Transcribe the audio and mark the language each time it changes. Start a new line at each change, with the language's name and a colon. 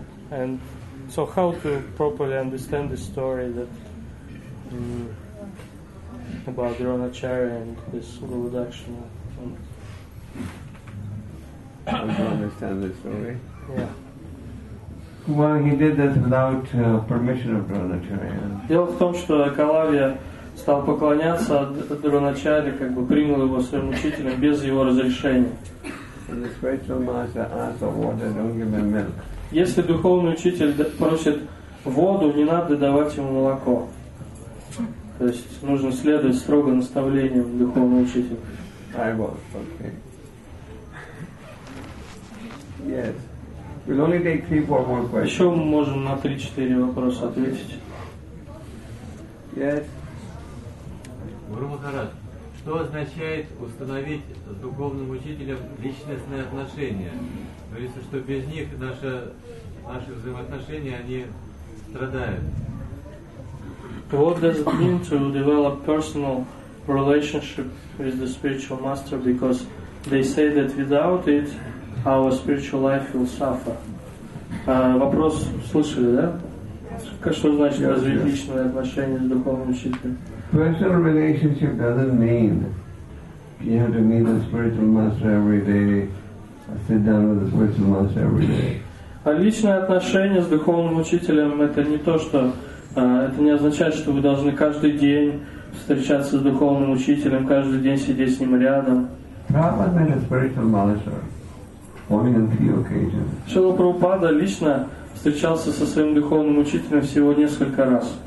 English: And so how to properly understand the story that about Dronacharya and this Guru Dakshina? I don't understand this story. Yeah. Well, he did this without permission of Dronacharya.
Russian: Дело в том, что Калавья стал поклоняться Дроначарье, как бы принял его своим учителем без его разрешения.
English: The spiritual master asks for water, don't give him milk.
Russian: Если духовный учитель просит воду, не надо давать ему молоко. То есть нужно следовать строго наставлениям духовного учителя.
English: I was, okay. Yes. We'll only take 3-4 more questions.
Russian: Еще мы можем на 3-4 вопроса okay. ответить.
English: Yes.
Russian: Гуру Махарадж, что означает установить с духовным учителем личностные отношения? Говорится, что без них наши, наши взаимоотношения, они страдают.
English: What does it mean to develop personal relationship with the spiritual master? Because they say that without it, our spiritual life will suffer.
Russian: Вопрос слышали, да? Что значит развить личные отношения с духовным учителем?
English: Personal relationship doesn't mean you have to meet the spiritual master every day. Sit down with the spiritual master every day.
Russian: А личные отношения с духовным учителем это не то, что это не означает, что вы должны каждый день встречаться с духовным учителем, каждый день сидеть с ним рядом.
English: Prabhupada met a spiritual master only on 3 occasions.
Russian: Шрила Прабхупада лично встречался со своим духовным учителем всего несколько раз.